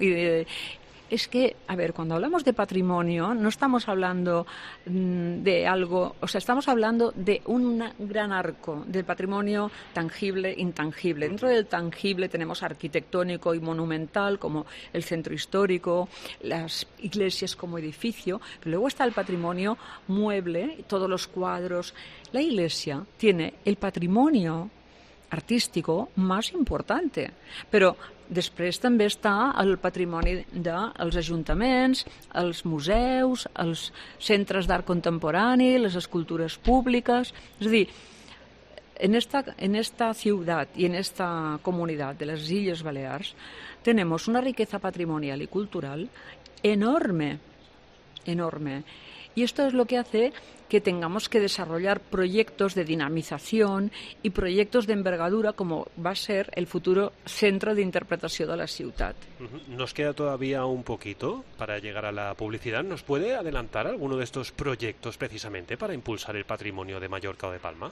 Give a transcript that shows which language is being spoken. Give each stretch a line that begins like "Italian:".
Spanish: Y es que, a ver, cuando hablamos de patrimonio, no estamos hablando de algo, o sea, estamos hablando de un gran arco del patrimonio tangible e intangible. Dentro del tangible tenemos arquitectónico y monumental, como el centro histórico, las iglesias como edificio, pero luego está el patrimonio mueble, todos los cuadros. La iglesia tiene el patrimonio artístico más importante, pero
Catalan: després també està el patrimoni dels ajuntaments, els museus, els centres d'art contemporani, les escultures públiques... És a dir, en esta ciutat i en esta comunitat de les Illes Balears tenim una riquesa patrimonial i cultural enorme, enorme.
Spanish: Y esto es lo que hace que tengamos que desarrollar proyectos de dinamización y proyectos de envergadura como va a ser el futuro centro de interpretación de la ciudad. Nos queda todavía un poquito para llegar a la publicidad. ¿Nos puede adelantar alguno de estos proyectos precisamente para impulsar el patrimonio de Mallorca o de Palma?